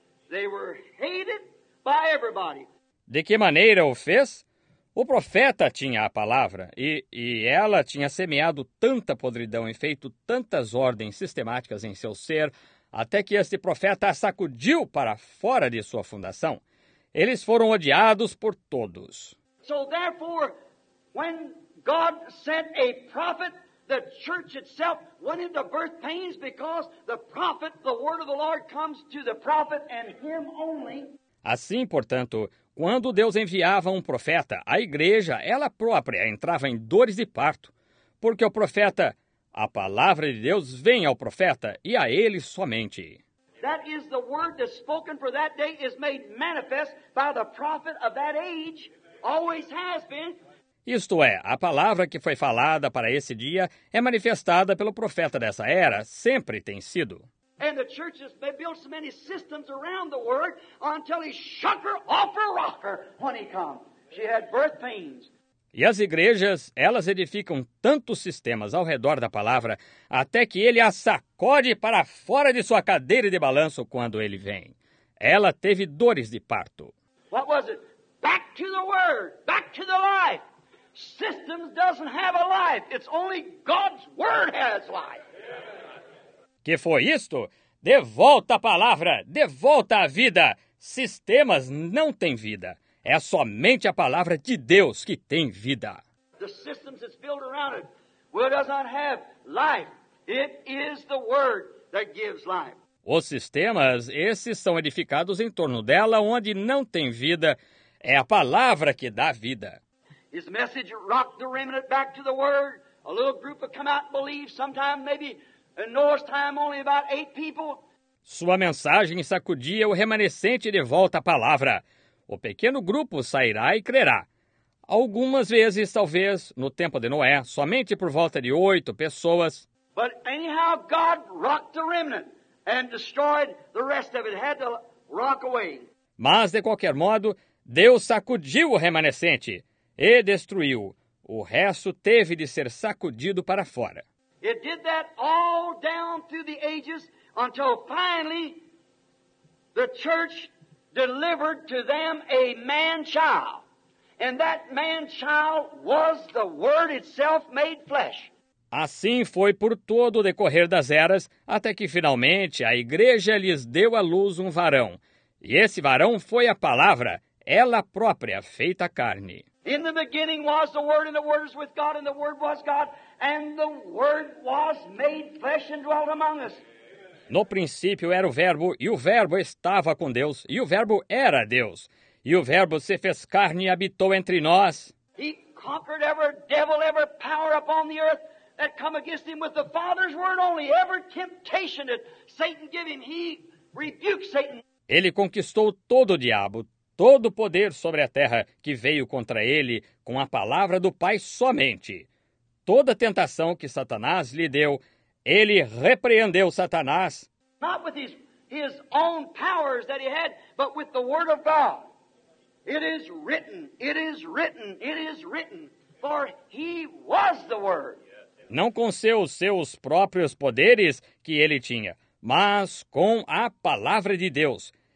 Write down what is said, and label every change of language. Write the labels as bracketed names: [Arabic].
[English] They were hated by everybody. [Portuguese] De que maneira o fez? O profeta tinha a palavra e ela tinha semeado tanta podridão e feito tantas ordens sistemáticas em seu ser, até que este profeta a sacudiu para fora de sua fundação. Eles foram odiados por todos. [English] So therefore, when God sent a prophet, the church itself went into birth pains because the prophet, the word of the Lord comes to the prophet and him only. [Portuguese] Assim, portanto, quando Deus enviava um profeta, a igreja, ela própria, entrava em dores de parto, porque o profeta A palavra de Deus vem ao profeta e a ele somente. [English] That is the word that's spoken for that day is made manifest by the prophet of that age, always has been. [Portuguese] Isto é, a palavra que foi falada para esse dia é manifestada pelo profeta dessa era, sempre tem sido. [English] And the church has built so many systems around the word until he shook her off her rocker when he come. She had birth pains. [Portuguese] E as igrejas, elas edificam tantos sistemas ao redor da palavra até que ele a sacode para fora de sua cadeira de balanço quando ele vem. Ela teve dores de parto. [English] What was it? Back to the word, back to the life. Systems doesn't have a life. It's only God's word has life. [Portuguese] Que foi isto? De volta a palavra, de volta a vida. Sistemas não têm vida. É somente a palavra de Deus que tem vida. [English] The systems that's built around it will does not have life. It is the word that gives life. [Portuguese] Os sistemas, esses são edificados em torno dela, onde não tem vida. É a palavra que dá vida. [English] His message rocked the remnant back to the word. A little group would come out and believe sometime, maybe in Noah's time, only about 8 people. [Portuguese] Sua mensagem sacudia o remanescente de volta à palavra. O pequeno grupo sairá e crerá. Algumas vezes, talvez, no tempo de Noé, somente por volta de 8 pessoas. [English] But anyhow, God rocked the remnant and destroyed the rest of it. Had to rock away. [Portuguese] Mas, de qualquer modo, Deus sacudiu o remanescente e destruiu. O resto teve de ser sacudido para fora. [English] It did that all down through the ages until finally the church delivered to them a man-child. And that man-child was the word itself made flesh. [Portuguese] Assim foi por todo o decorrer das eras, até que finalmente a igreja lhes deu à luz um varão. E esse varão foi a palavra, ela própria, feita carne. [English] In the beginning was the word, and the word was with God, and the word was God, and the word was made flesh and dwelt among us. [Portuguese] No princípio era o Verbo, e o Verbo estava com Deus, e o Verbo era Deus. E o Verbo se fez carne e habitou entre nós. [English] He conquered every devil, every power upon the earth that come against him with the Father's word only. Every temptation that Satan gave him, he rebuked Satan. [Portuguese] Ele conquistou todo o diabo, todo o poder sobre a terra que veio contra ele com a palavra do Pai somente. Toda a tentação que Satanás lhe deu, ele repreendeu Satanás. [English] Not with his own powers that he had, but with the word of God. It is written, it is written, it is written, for he was the word. [Portuguese] Não com seus próprios poderes que ele tinha, mas com a palavra de Deus.